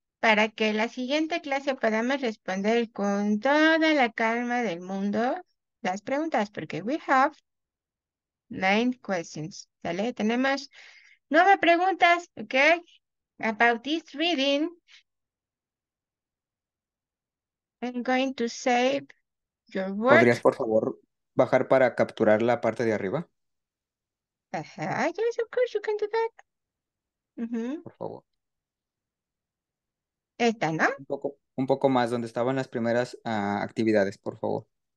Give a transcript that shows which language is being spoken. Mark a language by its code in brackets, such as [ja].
[es] Para que la siguiente clase podamos responder con toda la calma del mundo las preguntas, porque [en] we have 9 questions, [es] ¿sale? Tenemos 9 preguntas, ¿ok? [en] About this reading, I'm going to save your work. [es] ¿Podrías, por favor, bajar para capturar la parte de arriba? [en] Yes, of course, you can do that. [es] Por favor. Esta, ¿no? Un poco más, donde estaban las primeras actividades, por favor.